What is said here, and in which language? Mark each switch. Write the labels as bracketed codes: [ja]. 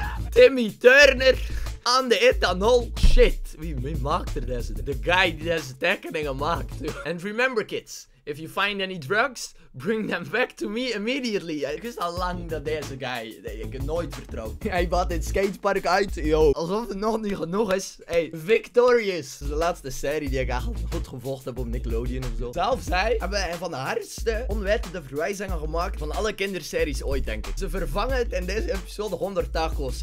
[nl] Timmy Turner aan de ethanol. Shit, wie maakt er deze? De guy die deze tekeningen maakt. [en] And remember kids, if you find any drugs, bring them back to me immediately. [nl] Ik wist al lang dat deze guy, ik heb nooit vertrouwd. Hij baat dit skatepark uit, yo. Alsof het nog niet genoeg is. Hey, Victorious. Dat is de laatste serie die ik eigenlijk goed gevolgd heb op Nickelodeon ofzo. Zelfs zij hebben van de hardste onwettende verwijzingen gemaakt van alle kinderseries ooit, denk ik. Ze vervangen het in deze episode 100 tacos.